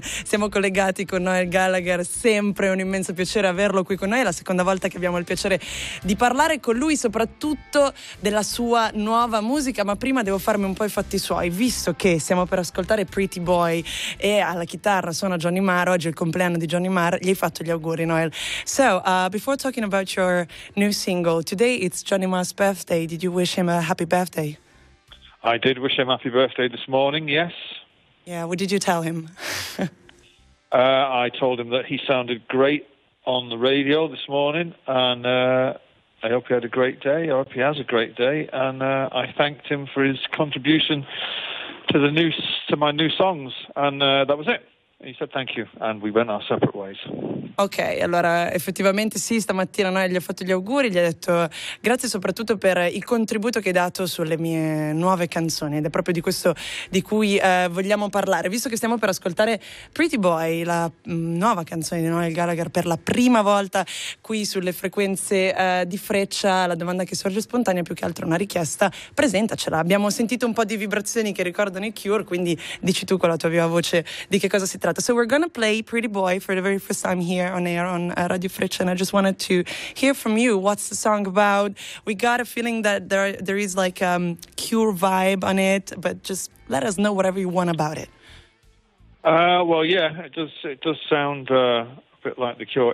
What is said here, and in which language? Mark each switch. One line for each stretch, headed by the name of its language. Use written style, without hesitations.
Italian: Siamo collegati con Noel Gallagher, sempre un immenso piacere averlo qui con noi. È la seconda volta che abbiamo il piacere di parlare con lui, soprattutto della sua nuova musica, ma prima devo farmi un po' i fatti suoi. Visto che stiamo per ascoltare Pretty Boy e alla chitarra suona Johnny Marr, oggi è il compleanno di Johnny Marr, gli hai fatto gli auguri, Noel.
English: So, before talking about your new single today, it's Johnny Marr's birthday. Did you wish him a happy birthday? I did wish him happy birthday this morning. Yes. Yeah. What did you tell him? I told him that he sounded great on the radio this morning, and I hope he had a great day. I hope he has a great day, and I thanked him for his contribution to my new songs, and that was it. He said thank you, and we went our separate ways.
Italian: Ok, allora effettivamente sì, stamattina noi gli ho fatto gli auguri, gli ho detto grazie soprattutto per il contributo che hai dato sulle mie nuove canzoni, ed è proprio di questo di cui vogliamo parlare, visto che stiamo per ascoltare Pretty Boy, la nuova canzone di Noel Gallagher per la prima volta qui sulle frequenze di Freccia. La domanda che sorge spontanea, più che altro una richiesta, presentacela. Abbiamo sentito un po' di vibrazioni che ricordano i Cure, quindi dici tu con la tua viva voce di che cosa si tratta.
English: So we're gonna play Pretty Boy for the very first time here on air on Radio Freccia, and I just wanted to hear from you, what's the song about? We got a feeling that there is like Cure vibe on it, but just let us know whatever you want about it. Well, yeah, it does sound a bit like the Cure.